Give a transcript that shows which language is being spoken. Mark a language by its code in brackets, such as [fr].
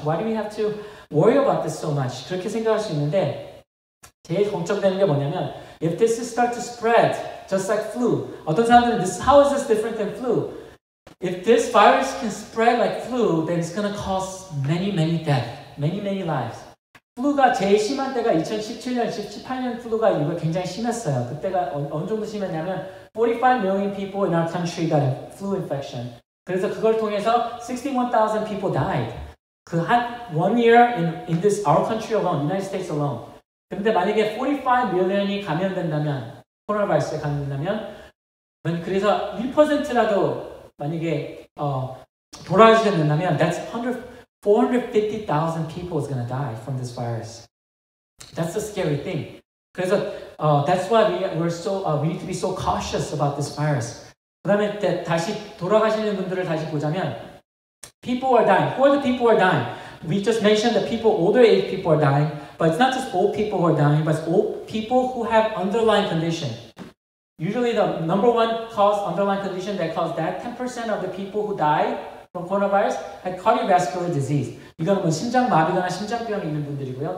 [en] Why do we have to worry about this so much? [ko] 그렇게 생각할 수 있는데 제일 걱정되는 게 뭐냐면 [en] if this is start to spread just like flu, [ko] 어떤 사람들은 [en] this, how is this different than flu? If this virus can spread like flu, then it's gonna cause many many death, many many lives. [ko] 플루가 제일 심한 때가 2017년, 18년 플루가 이거 굉장히 심했어요. 그때가 어느 정도 심했냐면 [en] 45 million people in our country got a flu infection. [ko] 그래서 그걸 통해서 [en] 61,000 people died. 그 한 one year in this our country alone, United States alone. [ko] 근데 만약에 45 million이 감염된다면, 코로나 바이러스에 감염된다면, 그래서 1%라도 만약에 돌아가시게 된다면 [en] that's 450,000 people is going to die from this virus. That's the scary thing. 그래서 that's why we need to be so cautious about this virus. [ko] 그다음에 다시 돌아가시는 분들을 다시 보자면 [en] people are dying. Who are the people who are dying? We just mentioned that people, older age people are dying, but it's not just old people who are dying, but it's old people who have underlying condition. Usually the number one cause, underlying condition that caused that 10% of the people who died from coronavirus had cardiovascular disease. [ko] 이거는 뭐 심장 마비나 심장병이 있는 분들이고요.